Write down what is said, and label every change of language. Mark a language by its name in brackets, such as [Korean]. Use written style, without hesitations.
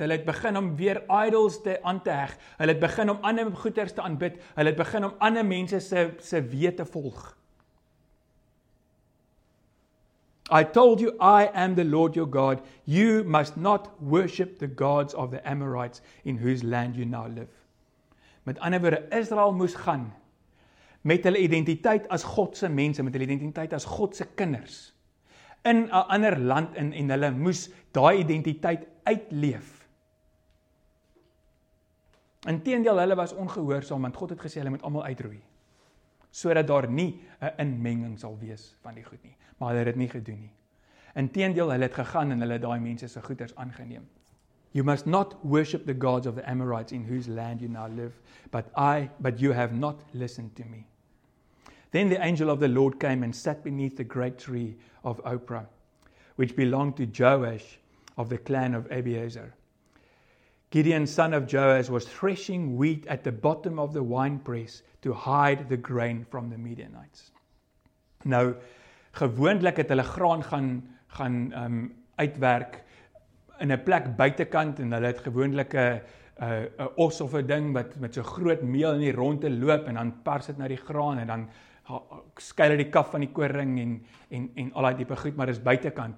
[Afrikaans] Hulle het begin om weer idols aan te heg. Hulle het begin om ander goeders te aanbid. Hulle het begin om ander mense se wee te volg. [English] I told you, I am the Lord your God. You must not worship the gods of the Amorites in whose land you now live. [Afrikaans] Met ander woorde, Israel moes gaan met hulle identiteit as Godse mense, met hulle identiteit as Godse kinders, in 'n ander land in, en hulle moes daai identiteit uitleef. Inteendeel, hulle was ongehoorsaam, want God het gesê, hulle moet allemaal uitroei, sodat daar nie 'n inmenging sal wees van die goed nie, maar hulle het dit nie gedoen nie. Inteendeel, hulle het gegaan en hulle daai mense se goeders aangeneem. [English] You must not worship the gods of the Amorites in whose land you now live, but you have not listened to me. Then the angel of the Lord came and sat beneath the great tree of Ophrah, which belonged to Joash of the clan of Abiezer. Gideon, son of Joash, was threshing wheat at the bottom of the winepress to hide the grain from the Midianites. [Afrikaans] Nou, gewoonlik het hulle graan gaan uitwerk in 'n plek buitekant, en hulle het gewoonlik 'n os of 'n ding wat met so groot meel in die rondte loop, en dan pars dit na die graan, en dan skuil hy die kaf van die koring en al die tipe goed, maar is buitekant.